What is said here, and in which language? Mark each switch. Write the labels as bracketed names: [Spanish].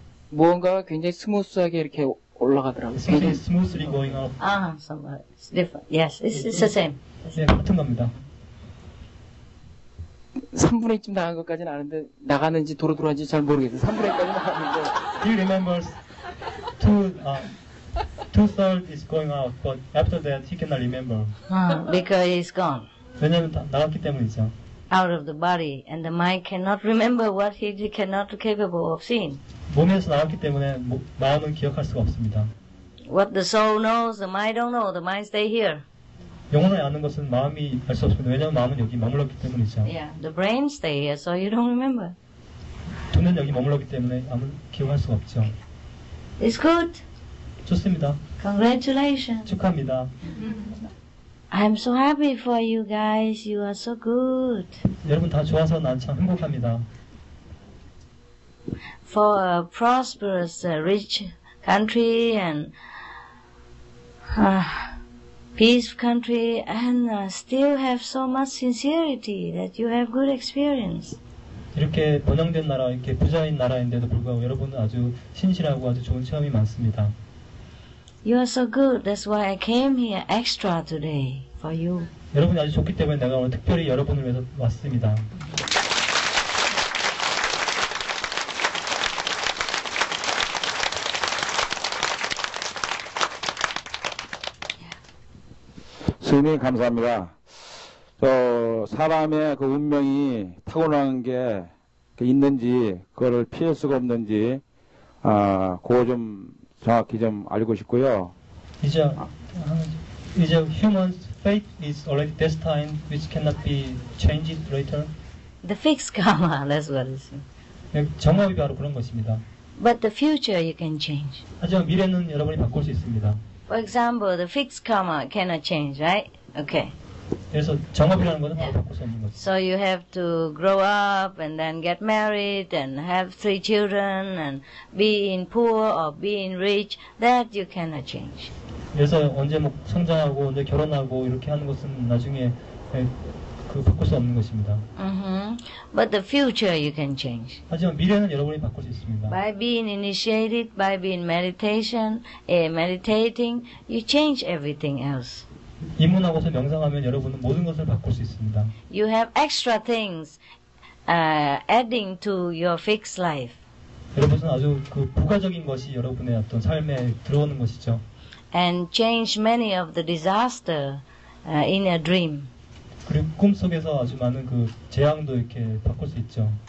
[Korean] 무언가 굉장히 스무스하게 이렇게 올라가더라고요. [English] Something is smoothly going up. Ah, somewhere. It's different. Yes, it's the same. [Korean] 네, 같은 겁니다. 3분의 1쯤 나간 것까지는 아는데 나갔는지 도로 들어왔는지 잘 모르겠어요. 3분의 1까지 나갔는데. [English] Do you remember? Two-thirds is going out, but after that he cannot remember. Because he's gone. [Korean] 왜냐면 나갔기 때문이죠. [English] Out of the body, and the mind cannot remember what he cannot capable of seeing. [Korean] 몸에서 나갔기 때문에 마음은 기억할 수가 없습니다. [English] What the soul knows, the mind don't know. The mind stay here. [Korean] 영혼이 아는 것은 마음이 알 수 없습니다. 왜냐면 마음은 여기 머물렀기 때문이죠. [English] Yeah, the brain stay here, so you don't remember. [Korean] 두뇌는 여기 머물렀기 때문에 아무 기억할 수가 없죠. [English] It's good. [Korean] 좋습니다. [English] Congratulations. [Korean] 축하합니다. [English] I'm so happy for you guys. You are so good. [Korean] 여러분 다 좋아서 난 참 행복합니다. [English] For a prosperous, rich country and peace country, and still have so much sincerity that you have good experience. [Korean] 이렇게 번영된 나라, 이렇게 부자인 나라인데도 불구하고 여러분은 아주 신실하고 아주 좋은 체험이 많습니다. [English] You are so good. That's why I came here extra today for you. [Korean] 여러분이 아주 좋기 때문에 내가 오늘 특별히 여러분을 위해서 왔습니다. Yeah. 스님 감사합니다. 저 사람의 그 운명이 타고난 게 있는지 그거를 피할 수가 없는지 아 그거 좀 정확히 좀 알고 싶고요. [English] 이제 이제 human fate is already destined, which cannot be changed later. The fixed karma, that's what it is. [Korean] 정업이 바로 그런 것입니다. [English] But the future you can change. [Korean] 하지만 미래는 여러분이 바꿀 수 있습니다. [English] For example, the fixed karma cannot change, right? Okay. [Korean] 그래서 정업이라는 것은 바로 바꿀 수 없는 것입니다. [English] So you have to grow up and then get married and have three children and be in poor or be in rich. That you cannot change. [Korean] 그래서 언제 뭐 성장하고 언제 결혼하고 이렇게 하는 것은 나중에 그 바꿀 수 없는 것입니다. [English] But the future you can change. [Korean] 하지만 미래는 여러분이 바꿀 수 있습니다. [English] By being initiated, by being meditation, meditating, you change everything else. [Korean] 입문하고서 명상하면 여러분은 모든 것을 바꿀 수 있습니다. [English] You have extra things adding to your fixed life. [Korean] 여러분은 아주 그 부가적인 것이 여러분의 어떤 삶에 들어오는 것이죠. [English] And change many of the disaster in a dream. [Korean] 그리고 꿈 속에서 아주 많은 그 재앙도 이렇게 바꿀 수 있죠.